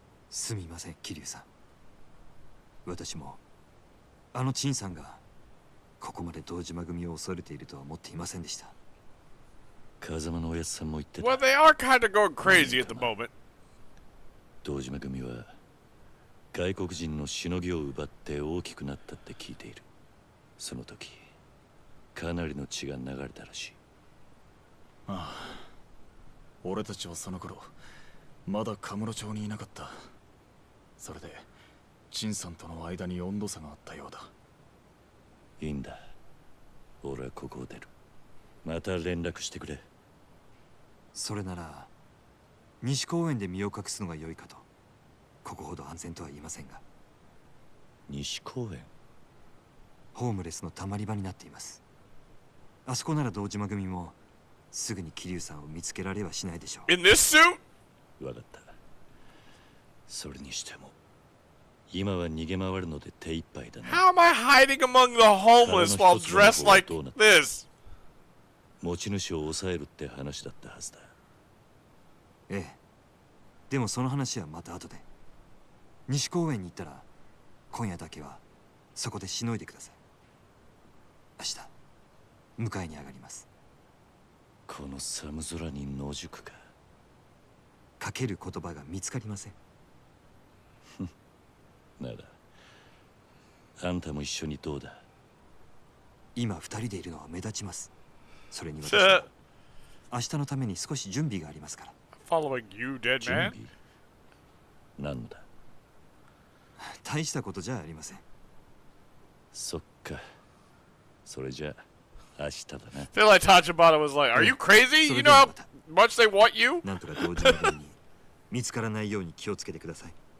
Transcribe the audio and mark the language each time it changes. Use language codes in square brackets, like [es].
[ja] すみません、桐生さん。私もあの陳さんがここまで堂島組を恐れているとは思っていませんでした。風間のおやつさんも言ってた。 [en] Well, they are kind of going crazy at the moment. [ja] 堂島組は外国人のしのぎを奪って大きくなったって聞いている。その時かなりの血が流れたらしい。ああ、俺たちはその頃まだ神室町にいなかった。それで陳さんとの間に温度差があったようだ。いいんだ、俺はここを出る。また連絡してくれ。それなら西公園で身を隠すのが良いかと。ここほど安全とは言いませんが。西公園、ホームレスのたまり場になっています。あそこなら堂島組もすぐに桐生さんを見つけられはしないでしょう。 [en] In this suit? [ja] わかった。それにしても今は逃げ回るので手一杯だな。 [en] How am I hiding among the homeless while dressed like this? [ja] 持ち主を抑えるって話だったはずだ。ええ、でもその話はまた後で。西公園に行ったら今夜だけはそこでしのいでください。明日迎えに上がります。この寒空に野宿か。かける言葉が見つかりません。なら、あんたも一緒にどうだ。今二人でいるのは目立ちます。それに私は明日のために少し準備がありますから。 [en] Following you, dead man. [ja] 準備？なんだ。大したことじゃありません。そっか。それじゃあ明日だな。 [en] I feel like Tachibana was like, "Are you crazy? You know how much they want you?" [ja] なんとか同時に見つからないように気をつけてください。